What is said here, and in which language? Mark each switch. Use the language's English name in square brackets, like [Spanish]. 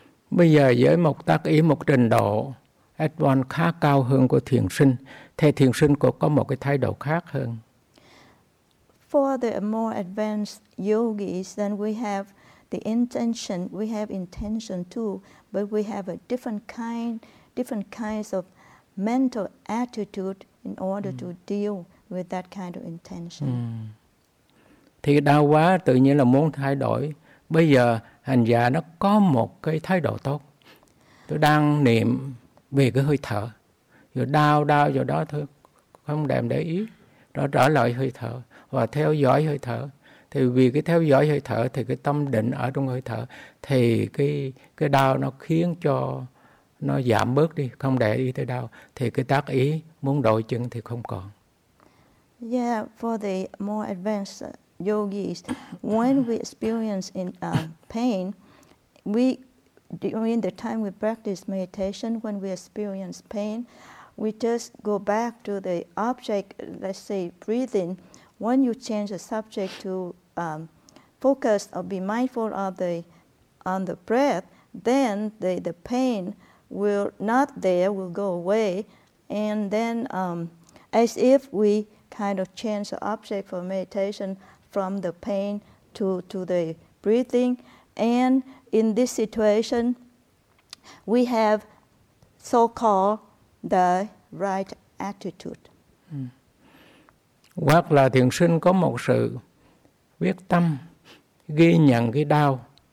[Vietnamese] Bây giờ với một tác ý, một trình độ advanced khá cao hơn của thiền sinh, thì thiền sinh cũng có một cái thái độ khác hơn. [English] For the more advanced yogis, then we have the intention, we have intention too, but we have a different kinds of mental attitude in order to deal with that kind of intention. [Vietnamese] Thì đau quá tự nhiên là muốn thay đổi. Bây giờ hành giả nó có một cái thái độ tốt. Tôi đang niệm về cái hơi thở. Rồi đau rồi đó thôi, không đem để ý. Rồi trở lại hơi thở và theo dõi hơi thở. Thì vì cái theo dõi hơi thở thì cái tâm định ở trong hơi thở thì cái đau nó khiến cho nó giảm bớt đi, không để ý tới đau. Thì cái tác ý muốn đổi chứng thì không còn. [English] Yeah, for the more advanced yogis, when we experience in pain, we during the time we practice meditation, when we experience pain, we just go back to the object, let's say breathing. When you change the subject to focus or be mindful of on the breath, then the pain will not there, will go away, and then as if we kind of change the object for meditation from the pain to the breathing. And in this situation, we have so-called the right attitude. [Vietnamese] Hoặc là thiền sinh có một sự quyết tâm ghi nhận cái đau.